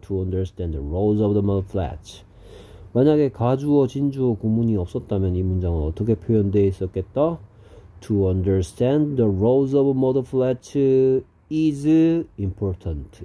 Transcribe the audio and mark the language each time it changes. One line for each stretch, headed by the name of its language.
English: To understand the roles of the mud flats.
Korean: 만약에 가주어, 진주어, 구문이 없었다면 이 문장은 어떻게 표현되어 있었겠다?
English: To understand the roles of mud flats is important.